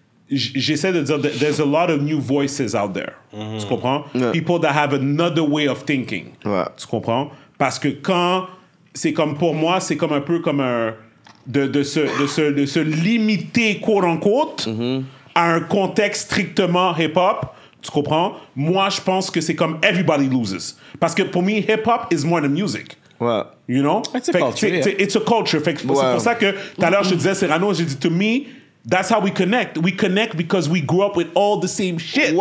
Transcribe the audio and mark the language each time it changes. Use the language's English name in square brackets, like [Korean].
[French] J'essaie de dire [English] that there's a lot of new voices out there. [French] Mm-hmm. Tu comprends? [English] Yeah. People that have another way of thinking. [French] Ouais. Tu comprends? Parce que quand c'est comme pour moi, c'est comme un peu comme un de se limiter quote unquote à un contexte strictement hip-hop. Tu comprends? Moi, je pense que c'est comme [English] everybody loses. [French] Parce que pour moi, [English] hip-hop is more than music. [French] Ouais. [English] You know? It's a culture. [French] Fait que c'est pour ça que tout à l'heure, je disais, Serrano, j'ai dit [English] to me. That's how we connect. We connect because we grew up with all the same shit.